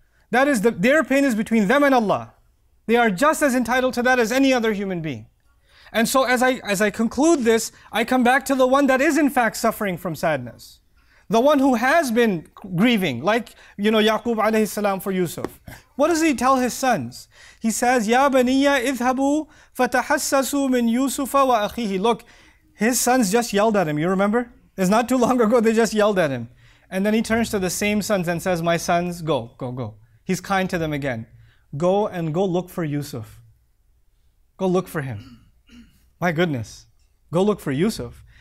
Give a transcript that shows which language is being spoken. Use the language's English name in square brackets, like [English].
[English] That is, their pain is between them and Allah. They are just as entitled to that as any other human being. And so as I conclude this, I come back to the one that is in fact suffering from sadness. The one who has been grieving, like, you know, Yaqub alayhi salam for Yusuf. What does he tell his sons? [Arabic] He says, يَا بَنِيَّ اِذْهَبُوا فَتَحَسَّسُوا مِنْ يُوسُفَ وَأَخِيهِ. [English] Look, his sons just yelled at him, you remember? It's not too long ago, they just yelled at him. And then he turns to the same sons and says, my sons, go. He's kind to them again. Go look for Yusuf. Go look for him. My goodness, go look for Yusuf.